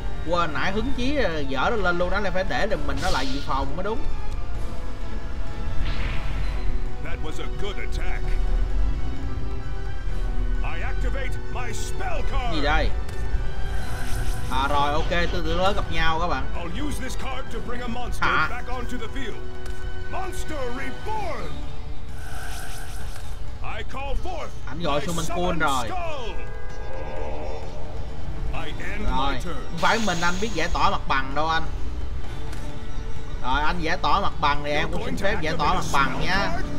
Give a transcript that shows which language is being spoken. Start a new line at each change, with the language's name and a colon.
Vietnamese: Quên nãy hứng chí dở nó lên luôn, đáng lẽ phải để được mình nó lại dự phòng mới đúng.
English: That was a good attack. I activate my spell card.
Vietnamese: Gì đây? À rồi ok, từ từ lớn gặp nhau các bạn.
English: I'll use this card to bring a monster back onto the field. Monster reborn. I call forth.
Vietnamese: Anh gọi Summon Queen rồi.
English: I end
Vietnamese: rồi. Không phải mình anh biết giải tỏa mặt bằng đâu anh. Rồi anh giải tỏa mặt bằng thì em cũng xin phép giải tỏa mặt bằng nha.